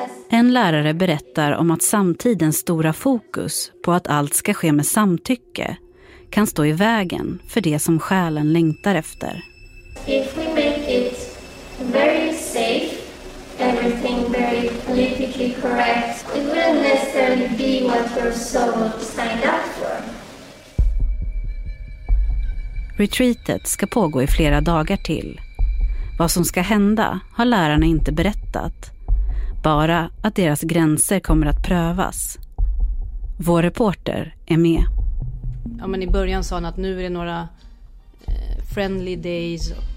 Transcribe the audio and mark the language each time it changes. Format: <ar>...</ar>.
<sv>En lärare berättar om att samtidens stora fokus på att allt ska ske med samtycke kan stå i vägen för det som själen längtar efter.</sv> <en>If we make it very safe, everything very politically correct, it wouldn't necessarily be what your soul signed up for.</en> <sv>Retreatet ska pågå i flera dagar till. Vad som ska hända har lärarna inte berättat. Bara att deras gränser kommer att prövas. Vår reporter är med. Ja, men i början sa han att nu är det några</sv> <en>friendly days.</en>